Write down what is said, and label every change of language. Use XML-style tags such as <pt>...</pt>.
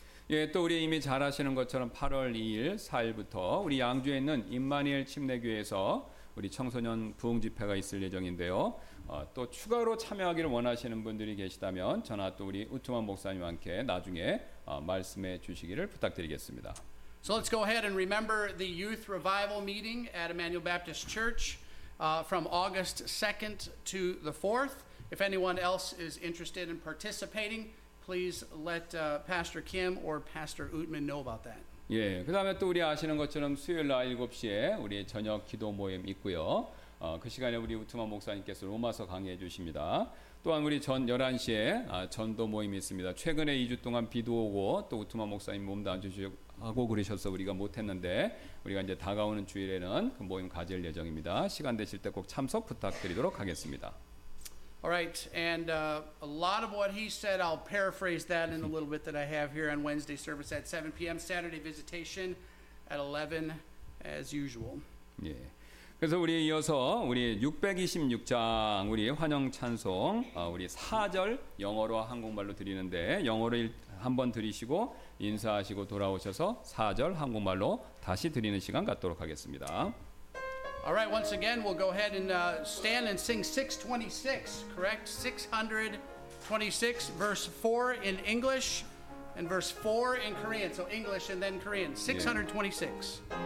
<ko>예, 또 우리 이미 잘 아시는 것처럼 8월 2일, 4일부터 우리 양주에 있는 임마니엘 침례교회에서 우리 청소년 부흥 집회가 있을 예정인데요. 또 추가로 참여하기를 원하시는 분들이 계시다면 전화 또 우리 우투만 목사님과 함께 나중에 말씀해 주시기를 부탁드리겠습니다.</ko> <en>So let's go ahead and remember the youth revival meeting at Emmanuel Baptist Church from August 2nd to the 4th. If anyone else is interested in participating, please let Pastor Kim or Pastor Utman know about that.</en> <ko>예, 그다음에 또 우리 아시는 것처럼 수요일 날 7시에 우리 저녁 기도 모임 있고요. 그 시간에 우리 우트만 목사님께서 로마서 강의해 주십니다. 또한 우리 전 11시에 전도 모임이 있습니다. 최근에 2주 동안 비도 오고 또 우트만 목사님 몸도 안 좋으시고 그러셔서 우리가 못 했는데 우리가 이제 다가오는 주일에는 그 모임 가질 예정입니다. 시간 되실 때 꼭 참석 부탁드리도록 하겠습니다.</ko> <en>All right, and a lot of what he said, I'll paraphrase that in a little bit that I have here on Wednesday service at 7 p.m. Saturday visitation at 11 as usual.</en> <ko>예, 그래서 우리 이어서 우리 626장 우리 환영 찬송 우리 4절 영어로 한국말로 드리는데 영어로 한번 드리시고 인사하시고 돌아오셔서 4절 한국말로 다시 드리는 시간 갖도록 하겠습니다.</ko> <en>All right, once again, we'll go ahead and stand and sing 626, correct? 626, verse 4 in English and verse 4 in Korean. So English and then Korean. 626.</en>